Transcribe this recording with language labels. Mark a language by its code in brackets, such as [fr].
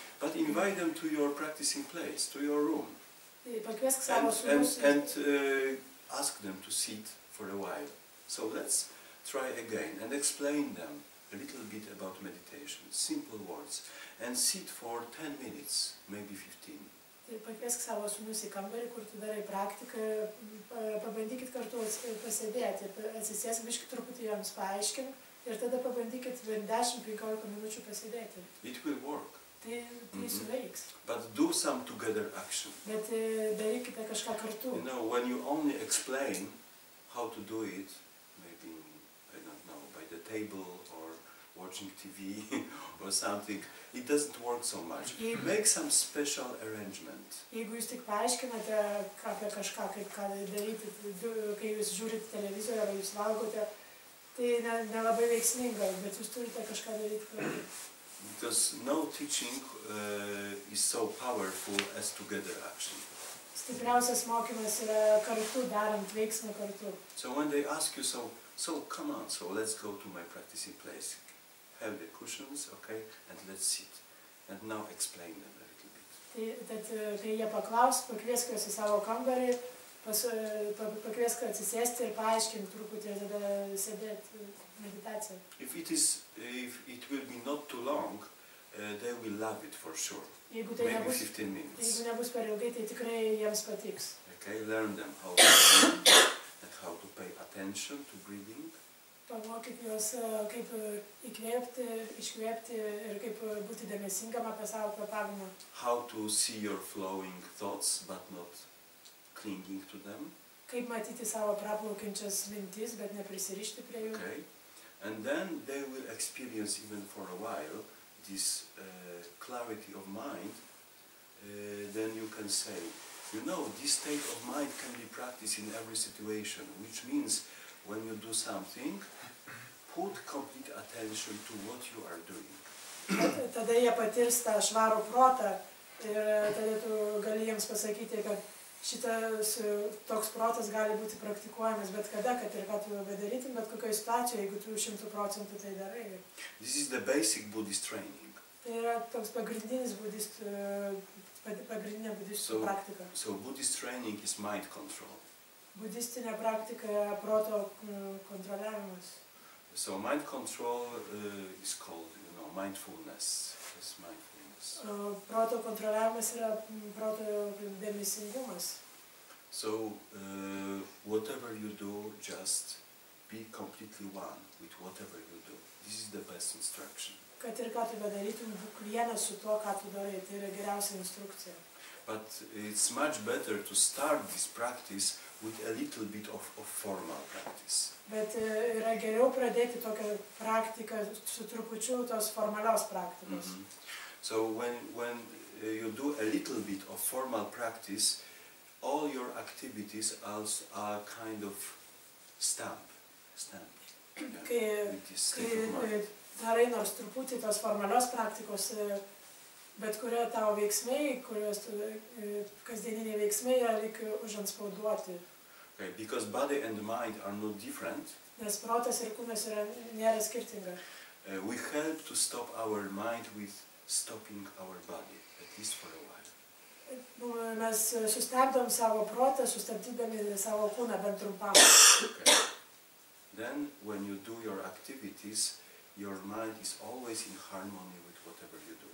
[en] But invite them to your practicing place, to your room. And ask them to sit for a while. So let's try again and explain them a little bit about meditation, simple words, and sit for 10 minutes, maybe 15. [lt] Ir pakviesk savo sūnus į kambarį, kur tu darai praktiką, pabandykit kartu pasėdėti, atsisės, biškį truputį joms paaiškink, ir tada pabandykit 10-15 minučių pasėdėti. [en] It will work. [lt] Tai suveiks. [en] But do some together action. [lt] Bet darykite kažką kartu. [en] You know, when you only explain how to do it, maybe, I don't know, by the table, watching TV or something, it doesn't work so much. [lt] Jeigu, [en] make some special arrangement. [lt] Jeigu jūs tik paaiškinate apie kažką, kaip ką daryti, kai jūs žiūrite televizorių ar jūs valgote, tai nelabai veiksminga, bet jūs turite kažką daryti. [en] Because no teaching is so powerful as together action. [lt] Stipriausias mokymas yra kartu darant veiksmą kartu. [en] So when they ask you, so come on, so let's go to my practicing place. Have the cushions, okay, and let's sit. And now explain them a little bit. [lt] Kai jie paklaus, pakviesk juos į savo kambarį, pakviesk atsisėsti ir paaiškink truputį, tada sėdėti meditaciją. [en] If it will be not too long, they will love it for sure. [lt] Jeigu tai [en] maybe 15 minutes. [lt] Jeigu nebus per ilgai, tai tikrai jiems patiks. [en] Okay, learn them how to think and how to pay attention to breathing. [lt] Pamokyti juos, kaip įkvėpti, iškvėpti ir kaip būti dėmesingam apie savo kvėpavimą. [en] How to see your flowing thoughts, but not clinging to them. [lt] Kaip matyti savo praplaukiančias mintis, bet neprisirišti prie jų. [en] Okay. And then they will experience even for a while this clarity of mind, then you can say, you know, this state of mind can be practiced in every situation, which means when you do something, put complete attention to what you are doing. [lt] Tada jie patirs tą švarų protą ir tada tu gali jiems pasakyti, kad šitas toks protas gali būti praktikuojamas bet kada, kad ir ką tu bedarytum, bet kokioj situacijoje, jeigu tu 100% tai darai. [en] This is the basic Buddhist training. [lt] Tai yra toks pagrindinė budistų praktika. [en] So Buddhist training is mind control. [lt] Budistinė praktika yra proto kontroliavimas. [en] So mind control is called, you know, mindfulness. Yes, mindfulness. [lt] Proto kontroliavimas yra proto dėmesingumas. [en] So whatever you do, just be completely one with whatever you do. This is the best instruction. [lt] Kad ir ką tu bedarytum, būk vienas su tuo, ką tu darai, tai yra geriausia instrukcija. [en] But it's much better to start this practice with a little bit of formal practice. [lt] Bet yra geriau pradėti tokią praktiką su trupučiu tos formalios praktikos. Mm-hmm. [en] So when you do a little bit of formal practice, all your activities also are kind of stamp. [lt] Kai darai nors truputį tos formalios praktikos, bet kurie tavo veiksmai, kurios kasdieniniai veiksmai yra lyg užanspauduoti. [en] Okay, because body and mind are not different. [lt] Nes protas ir kūnas yra nėra skirtinga. [en] We help to stop our mind with stopping our body, at least for a while. [lt] Mes sustabdom savo protą, sustabdydami savo kūną bent trumpam. [en] Okay. Then when you do your activities, your mind is always in harmony with whatever you do.